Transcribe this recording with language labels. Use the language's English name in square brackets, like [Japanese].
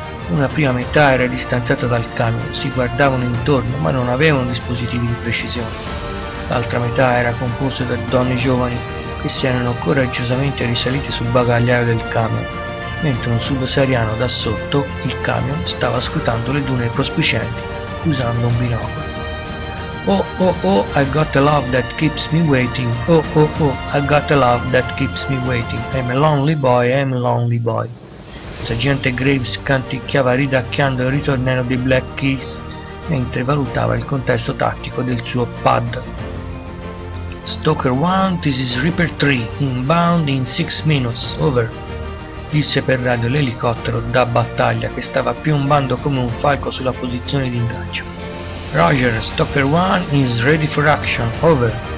[Italian] Una prima metà era distanziata dal camion, si guardavano intorno ma non avevano dispositivi di precisione. L'altra metà era composta da donne giovani che si erano coraggiosamente risalite sul bagagliaio del camion, mentre un subsahariano da sotto il camion stava scrutando le dune prospicienti usando un binocolo. [English] Oh oh oh, I got a love that keeps me waiting. Oh oh oh, I got a love that keeps me waiting. I'm a lonely boy, I'm a lonely boy. [Italian] Il sergente Graves canticchiava ridacchiando il ritornello dei Black Keys mentre valutava il contesto tattico del suo pad. [English] Stoker 1, this is Reaper 3, inbound in 6 minutes, over, [Italian] disse per radio l'elicottero da battaglia che stava piombando come un falco sulla posizione di ingaggio. [English] Roger, Stoker 1 is ready for action, over,